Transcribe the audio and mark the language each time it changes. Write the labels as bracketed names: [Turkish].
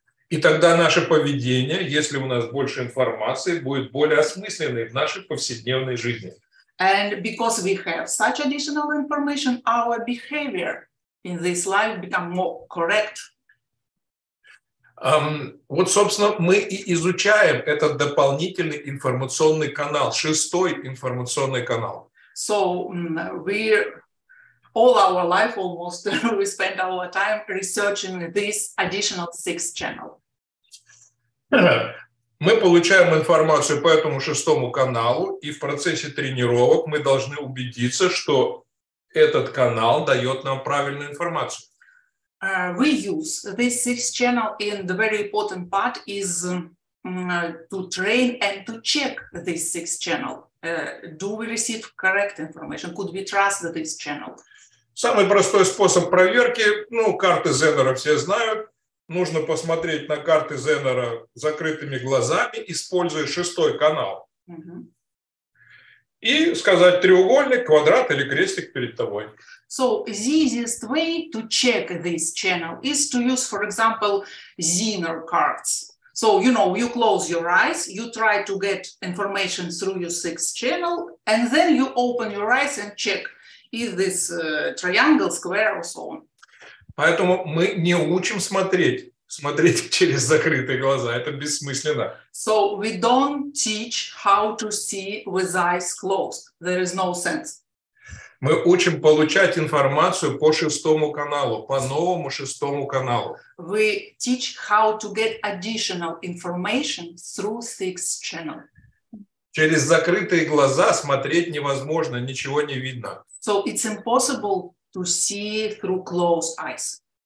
[Russian] И тогда наше поведение, если у нас больше информации, будет более осмысленной в нашей повседневной жизни. [English] And because we have such additional information, our behavior in this life become more correct. [Russian] Вот, собственно, мы и изучаем этот дополнительный информационный канал, шестой информационный канал. [English] So we all our life almost we spend our time researching this additional sixth channel. [Russian] Мы получаем информацию по этому шестому каналу, и в процессе тренировок мы должны убедиться, что этот канал дает нам правильную информацию. [English] We use this sixth channel, and the very important part is to train and to check this sixth channel. Do we receive correct information? Could we trust this channel? [Russian] Самый простой способ проверки, ну, карты Зеннера все знают. Нужно посмотреть на карты Зеннера закрытыми глазами, используя шестой канал. И сказать треугольник, квадрат или крестик перед тобой. [English] So the easiest way to check this channel is to use, for example, Zener cards. So, you know, you close your eyes, you try to get information through your sixth channel, and then you open your eyes and check if this triangle, square or so on. [Russian] Поэтому мы не учим смотреть через закрытые глаза. Это бессмысленно. [English] So we don't teach how to see with eyes closed. There is no sense. [Russian] Мы учим получать информацию по шестому каналу, по новому шестому каналу. [English] We teach how to get additional information through sixth channel. [Russian] Через закрытые глаза смотреть невозможно, ничего не видно. [English] So it's impossible to see through closed eyes.